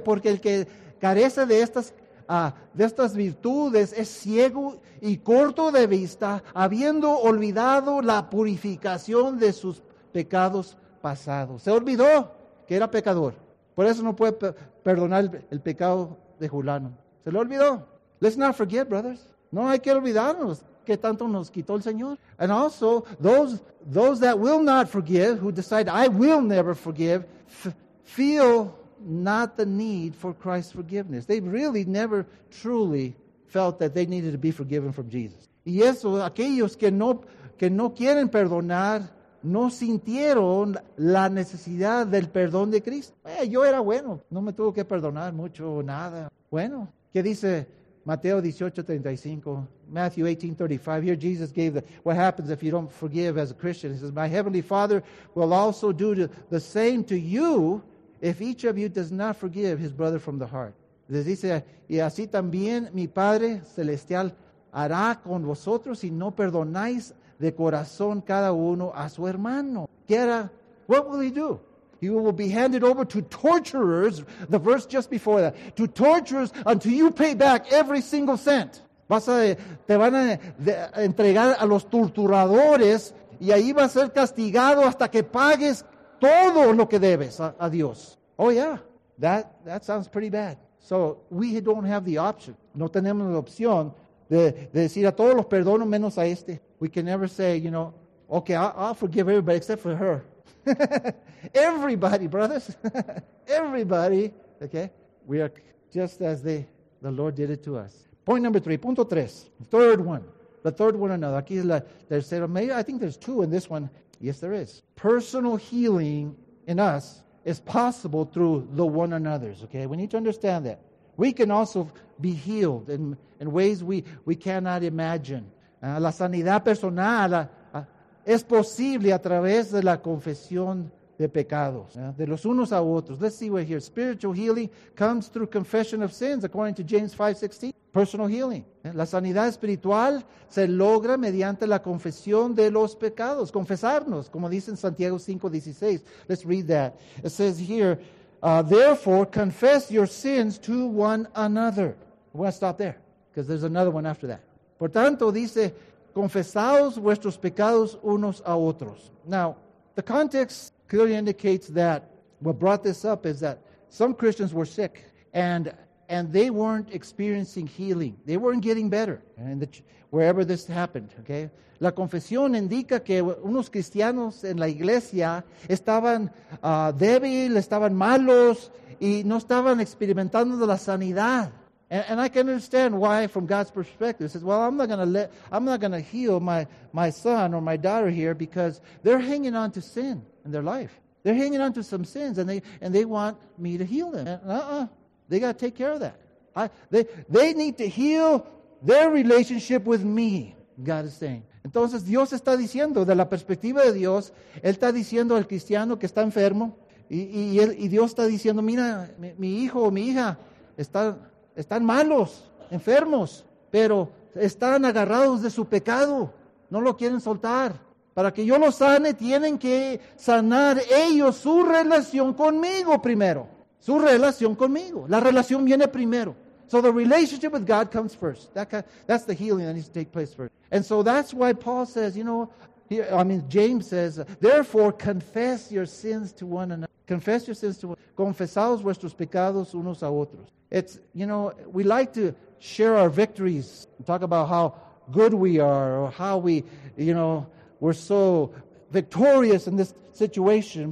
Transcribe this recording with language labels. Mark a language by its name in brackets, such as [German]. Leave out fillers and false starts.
[Spanish] Porque el que carece de estas virtudes es ciego y corto de vista, habiendo olvidado la purificación de sus pecados pasados. Se olvidó que era pecador. Por eso no puede perdonar el pecado de Julano. Se lo olvidó. [English] Let's not forget, brothers. [Spanish] No hay que olvidarnos que tanto nos quitó el Señor. [English] And also, those that will not forgive, who decide, I will never forgive, feel not the need for Christ's forgiveness. They really never truly felt that they needed to be forgiven from Jesus. [Spanish] Y eso, aquellos que no quieren perdonar, no sintieron la necesidad del perdón de Cristo. Yo era bueno, no me tuvo que perdonar mucho o nada. Bueno, ¿qué dice Mateo 18:35? [English] Matthew 18:35. Here Jesus gave what happens if you don't forgive as a Christian. He says, my heavenly Father will also do the same to you if each of you does not forgive his brother from the heart. [Spanish] Les dice, y así también mi Padre Celestial hará con vosotros si no perdonáis de corazón cada uno a su hermano. [English] What will he do? He will be handed over to torturers, the verse just before that, to torturers until you pay back every single cent. [Spanish] Te van a entregar a los torturadores y ahí va a ser castigado hasta que pagues todo lo que debes a Dios. [English] Oh yeah, that sounds pretty bad. So we don't have the option. [Spanish] No tenemos la opción de decir a todos los perdono menos a este. [English] We can never say, you know, okay, I'll forgive everybody except for her. Everybody, brothers. Everybody. Okay? We are just as the Lord did it to us. Point number three. [Spanish] Punto tres. [English] The third one another. [Spanish] Aquí es la tercera. [English] Maybe, I think there's two in this one. Yes, there is. Personal healing in us is possible through the one another's. Okay? We need to understand that. We can also be healed in ways we cannot imagine. [Spanish] La sanidad personal es posible a través de la confesión de pecados, de los unos a otros. [English] Let's see what here. Spiritual healing comes through confession of sins, according to James 5:16. Personal healing. [Spanish] La sanidad espiritual se logra mediante la confesión de los pecados. Confesarnos, como dice en Santiago 5:16. [English] Let's read that. It says here, therefore, confess your sins to one another. I'm going to stop there, because there's another one after that. [Spanish] Por tanto, dice, confesaos vuestros pecados unos a otros. [English] Now, the context clearly indicates that what brought this up is that some Christians were sick and they weren't experiencing healing. They weren't getting better wherever this happened, okay? [Spanish] La confesión indica que unos cristianos en la iglesia estaban débiles, estaban malos y no estaban experimentando la sanidad. [English] And I can understand why, from God's perspective, says, "Well, I'm not gonna heal my son or my daughter here because they're hanging on to sin in their life. They're hanging on to some sins, and they want me to heal them. They gotta take care of that. They need to heal their relationship with me." God is saying. [Spanish] Entonces, Dios está diciendo, de la perspectiva de Dios, él está diciendo al cristiano que está enfermo, y Dios está diciendo, mira, mi hijo o mi hija están malos, enfermos, pero están agarrados de su pecado, no lo quieren soltar. Para que yo lo sane, tienen que sanar ellos su relación conmigo primero. Su relación conmigo. La relación viene primero. [English] So the relationship with God comes first. That's the healing that needs to take place first. And so that's why Paul says, James says, therefore confess your sins to one another. Confess your sins to one another. [Spanish] Confesaos vuestros pecados unos a otros. [English] It's, we like to share our victories and talk about how good we are or how we, we're so victorious in this situation.